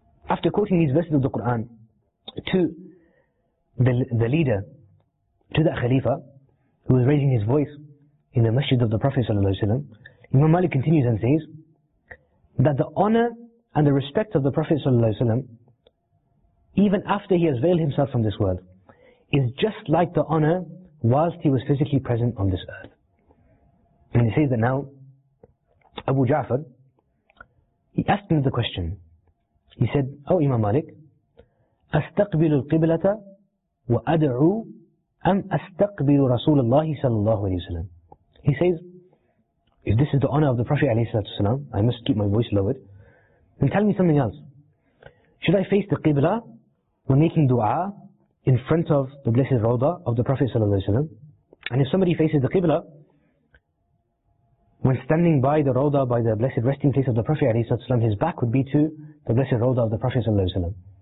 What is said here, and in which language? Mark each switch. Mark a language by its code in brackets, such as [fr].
[en] After quoting these verses of the Quran to the leader, to that Khalifa, who was raising his voice in the masjid of the Prophet ﷺ, Imam Malik continues and says that the honor and the respect of the Prophet ﷺ, even after he has veiled himself from this world, is just like the honor whilst he was physically present on this earth. And he says that now, Abu Ja'far, he asked him the question. He said, Oh Imam Malik, [ar] أستقبل القبلة وأدعو أم أستقبل رسول الله صلى الله عليه وسلم? [en] He says, If this is the honor of the Prophet عليه الصلاة والسلام, I must keep my voice lowered. Then tell me something else. Should I face the Qibla when making dua in front of the blessed Rawdah of the Prophet صلى الله عليه وسلم? And if somebody faces the Qibla, when standing by the Rawdah, by the blessed resting place of the Prophet عليه الصلاة والسلام, his back would be to the blessed Rawdah of the Prophet صلى الله عليه وسلم.